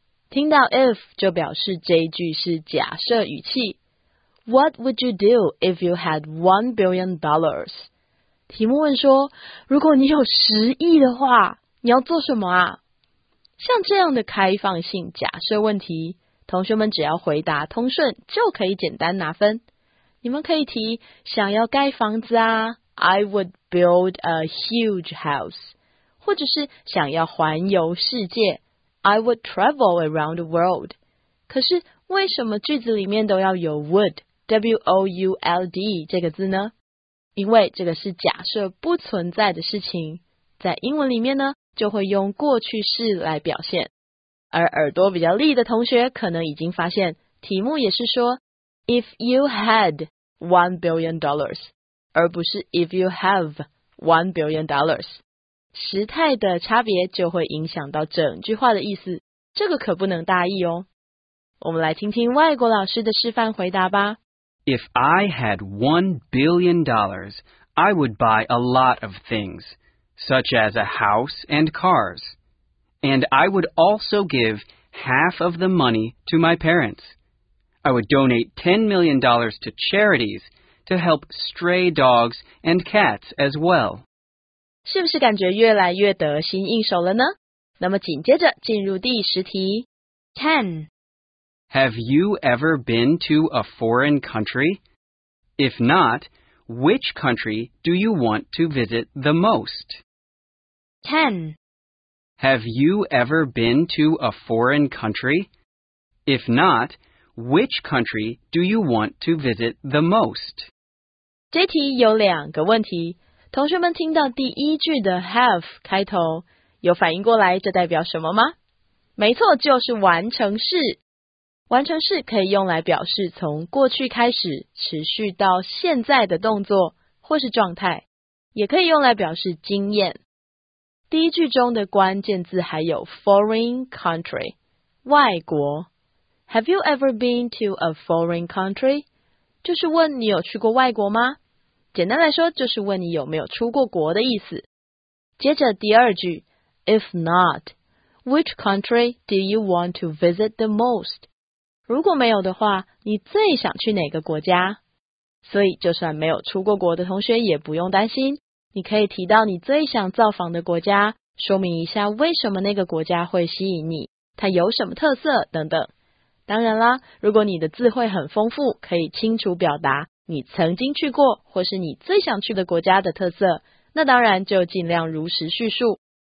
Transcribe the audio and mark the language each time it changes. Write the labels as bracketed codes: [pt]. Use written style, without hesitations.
[zh] 听到 if 就表示这句是假设语气。 [en] What would you do if you had $1 billion? [zh] 题目问说，如果你有十亿的话，你要做什么啊？像这样的开放性假设问题，同学们只要回答通顺就可以简单拿分。你们可以提想要盖房子啊 [en] I would build a huge house， [zh] 或者是想要环游世界 [en] I would travel around the world。 [zh] 可是为什么句子里面都要有 would W-O-U-L-D 这个字呢？因为这个是假设不存在的事情，在英文里面呢，就会用过去式来表现。而耳朵比较利的同学可能已经发现，题目也是说 [en] If you had $1 billion， [zh] 而不是 [en] If you have $1 billion， [zh] 时态的差别就会影响到整句话的意思，这个可不能大意哦。我们来听听外国老师的示范回答吧。 [en] If I had $1 billion, I would buy a lot of things, such as a house and cars. And I would also give half of the money to my parents. I would donate $10 million to charities to help stray dogs and cats as well. [zh] 是不是感觉越来越得心应手了呢？那么紧接着进入第十题。 [en] 10. Have you ever been to a foreign country? If not, which country do you want to visit the most? 10. Have you ever been to a foreign country? If not, which country do you want to visit the most? [zh] 这题有两个问题，同学们听到第一句的 have 开头，有反应过来这代表什么吗？没错，就是完成式。完成式可以用来表示从过去开始持续到现在的动作或是状态，也可以用来表示经验。第一句中的关键字还有 foreign country， 外国。 [en] Have you ever been to a foreign country？ [zh] 就是问你有去过外国吗？简单来说，就是问你有没有出过国的意思。接着第二句 [en] ，If not， which country do you want to visit the most？ [zh] 如果没有的话，你最想去哪个国家？所以，就算没有出过国的同学也不用担心，你可以提到你最想造访的国家，说明一下为什么那个国家会吸引你，它有什么特色等等。当然啦，如果你的字汇很丰富，可以清楚表达你曾经去过或是你最想去的国家的特色，那当然就尽量如实叙述。